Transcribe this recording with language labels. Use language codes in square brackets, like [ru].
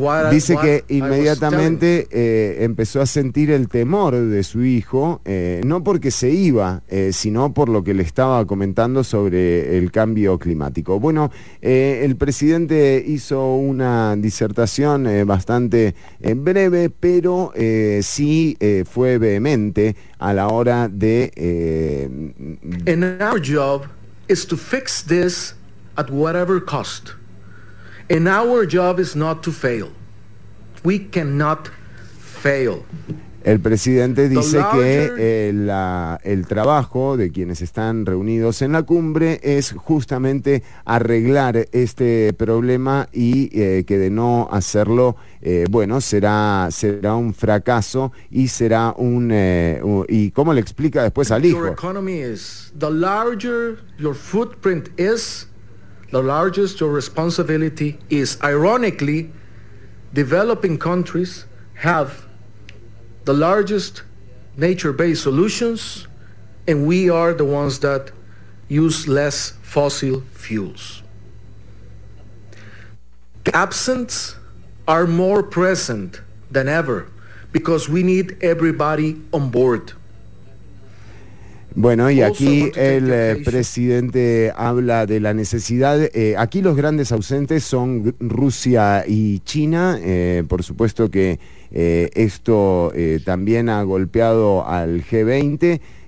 [es] Dice que inmediatamente empezó a sentir el temor de su hijo, no porque se iba, sino por lo que le estaba comentando sobre el cambio climático. Bueno, el presidente hizo una disertación bastante breve, pero sí fue vehemente a la hora de... [en] And our job is to fix this at whatever cost. And our job is not to fail. We cannot fail. [es] El presidente dice que el trabajo de quienes están reunidos en la cumbre es justamente arreglar este problema, y que de no hacerlo, bueno, será un fracaso y será un... ¿Y cómo le explica después al hijo? [en] Your economy is, the larger your footprint is, the largest your responsibility is. Ironically, developing countries have the largest nature-based solutions, and we are the ones that use less fossil fuels. The absents are more present than ever because we need everybody on board. [es] Bueno, y aquí el presidente habla de la necesidad. Aquí los grandes ausentes son Rusia y China. Por supuesto que esto también ha golpeado al G20.